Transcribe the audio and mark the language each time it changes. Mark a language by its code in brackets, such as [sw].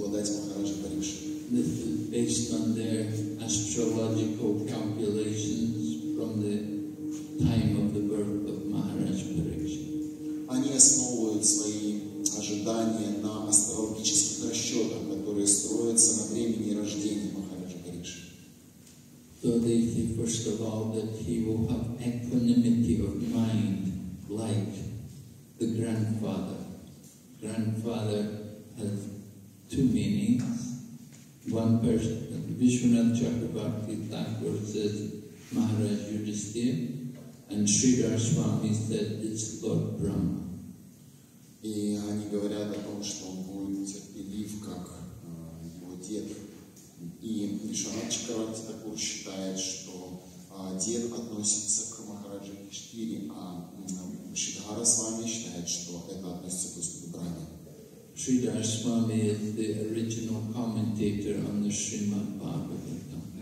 [en] This is based on their astrological calculations from the time of the birth of Maharaj Pariksha. [ru] Они основывают свои ожидания на астрологических расчетах, которые строятся на времени рождения Махараджа Парикши. [en] So they say, first of all, that he will have equanimity of mind, like the grandfather. Grandfather has two meanings. One person, Vishwanath Chakrabarti Thakur says Maharaj Yudhisthira, and Sridhar Swami said it's Lord Brahma. [ru] И они говорят о том, что он будет терпелив, как его дед. И Вишванат Чакрабарти Такур считает, что дед относится к Махараджа Киштири, а Шридхара Свами считает, что это относится к Господу Брахме. [en] Sridhar Swami is the original commentator on the Srimad Bhagavatam.